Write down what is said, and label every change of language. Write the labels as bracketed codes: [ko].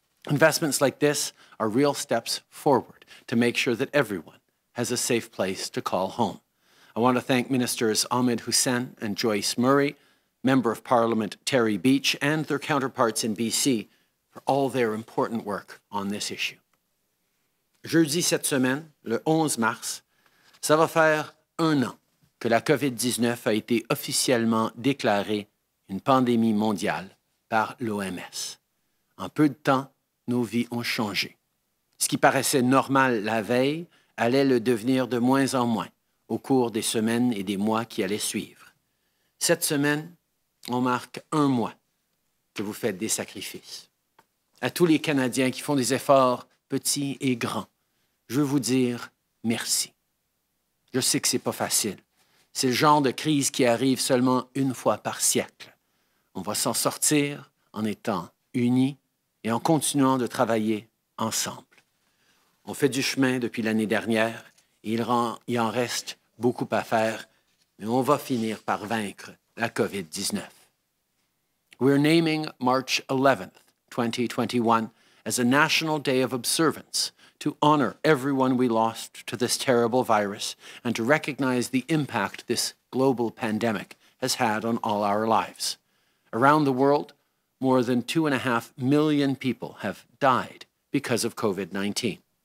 [en] Investments like this are real steps forward to make sure that everyone has a safe place to call home. I want to thank Ministers Ahmed Hussein and Joyce Murray, Member of Parliament Terry Beach, and their counterparts in BC for all their important work on this issue. [fr] Jeudi cette semaine, le 11 mars, ça va faire un an que la COVID-19 a été officiellement déclarée une pandémie mondiale par l'OMS. En peu de temps, nos vies ont changé. Ce qui paraissait normal la veille allait le devenir de moins en moins au cours des semaines et des mois qui allaient suivre. Cette semaine, on marque un mois que vous faites des sacrifices. À tous les Canadiens qui font des efforts, petits et grands, je veux vous dire merci. Je sais que ce n'est pas facile. C'est le genre de crise qui arrive seulement une fois par siècle. On va s'en sortir en étant unis et en continuant de travailler ensemble. On fait du chemin depuis l'année dernière et il en reste beaucoup à faire, mais on va finir par vaincre la COVID-19. [en] We're naming March 11th, 2021, as a National Day of Observance to honor everyone we lost to this terrible virus and to recognize the impact this global pandemic has had on all our lives. Around the world, more than 2.5 million people have died because of COVID-19.